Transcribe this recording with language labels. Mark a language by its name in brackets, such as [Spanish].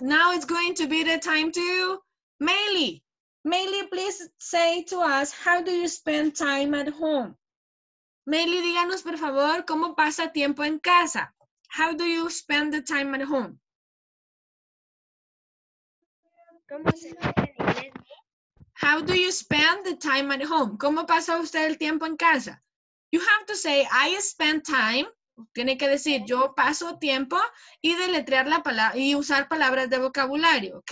[English] Now it's going to be the time to Meili. Meili, please say to us, how do you spend time at home? [Spanish] Meili, díganos, por favor, ¿cómo pasa tiempo en casa? [English] How do you spend the time at home? [Spanish] ¿Cómo se dice en inglés? [English] How do you spend the time at home? [Spanish] ¿Cómo pasa usted el tiempo en casa? [English] You have to say, I spend time. [Spanish] Tiene que decir, yo paso tiempo y deletrear la palabra y usar palabras de vocabulario, ¿ok?